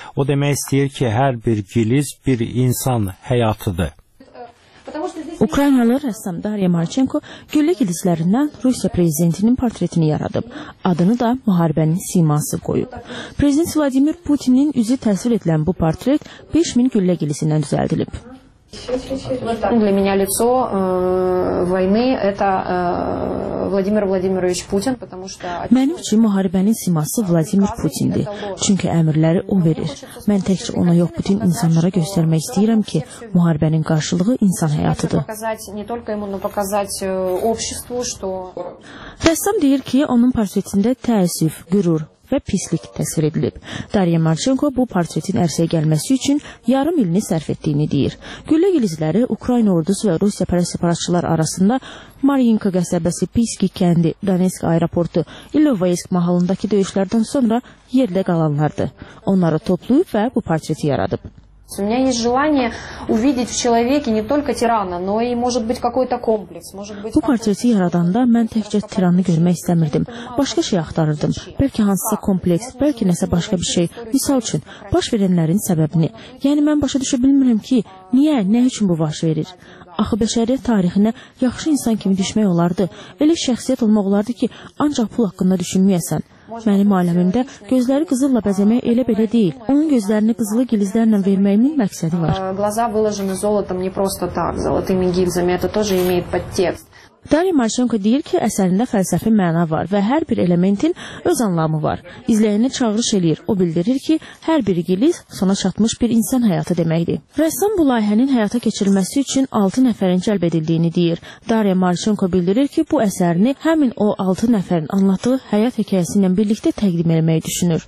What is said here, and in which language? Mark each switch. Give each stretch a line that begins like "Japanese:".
Azerbaijani: O demək istəyir ki, hər bir giliz bir insan həyatıdır. Ukraynalı rəssam Darya Marchenko güllə gilislərindən Rusiya prezidentinin portretini yaradıb. Adını da müharibənin siması qoyub. Prezident Vladimir Putinin üzü təsvir edilən bu portret 5000 güllə gilisindən düzəldilib.
Russian: Для меня лицо войны это Владимир Владимирович Путин, потому что
Azerbaijani: Mənim üçün müharibənin siması Vladimir Putindir. Çünki əmrləri o verir. Mən təkcə ona yox, bütün insanlara göstərmək istəyirəm ki, müharibənin qarşılığı insan həyatıdır.
Russian: Не только ему, но показать обществу, что
Azerbaijani: Рәссам deyir ki, onun portretində təəssüf, qürur və pislik təsvir edilib. Darya Marchenko bu portretin ərsəyə gəlməsi üçün yarım ilini sərf etdiyini deyir. Güllə gilizləri Ukrayna ordusu və Rusiya paraçılar arasında Mariinka qəsəbəsi, Piski kəndi, Donetsk aeroportu, Ilovaysk mahalındakı döyüşlərdən sonra yerdə qalanlardır. Onları toplayıb və bu portreti yaradıb.
Russian: У меня есть желание увидеть в человеке не только тирана, но и, может быть, какой-то комплекс.
Azerbaijani: Bu portreti yaradanda mən təkcə tiranı görmək istəmirdim. Başqa şey axtarırdım. Bəlkə hansısa kompleks, bəlkə nəsə başqa bir şey. Misal üçün, baş verənlərin səbəbini. Yəni, mən başa düşə bilmirəm ki, niyə, nə üçün bu baş verir? Axı, bəşəriyyət tarixinə yaxşı insan kimi düşmək olardı. Elə şəxsiyyət olmaq olardı ki, ancaq pul haqqında düşünməyəsən. Mənim aləmimdə gözləri qızılla bəzəmək elə belə deyil. Onun gözlərini qızılı gilizlərlə verməyimin məqsədi var.
Russian: Глаза выложены золотом не просто так, золотыми гильзами. Это тоже имеет подтекст.
Azerbaijani: Дарья Марченко deyir ki, əsərində fəlsəfi məna var və hər bir elementin öz anlamı var. İzləyənə çağırış eləyir. O bildirir ki, hər bir giliz sona çatmış bir insan həyatı deməkdir. Rəssam bu layihənin həyata keçirilməsi üçün 6 nəfərin cəlb edildiyini deyir. Dariya Marçenko bildirir ki, bu əsərini həmin o 6 nəfərin anlattığı həyat hekayəsi ilə birlikdə təqdim etməyi düşünür.